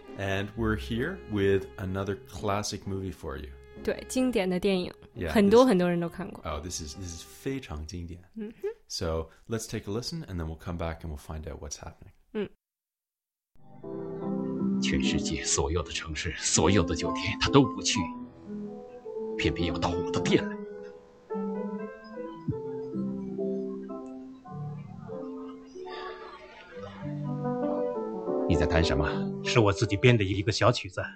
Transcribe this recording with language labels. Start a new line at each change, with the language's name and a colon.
English: And we're here with another classic movie for you.
Chinese: 对，经典的电影，很多很多人都看过。
English: Oh, this is
Chinese: 非常经典。
English: So let's take a listen, and then we'll come back and we'll find out what's happening.
Chinese: 全世界所有的城市，所有的酒店，他都不去，偏偏要到我的店来。你在弹什么？是我自己编的一个小曲子。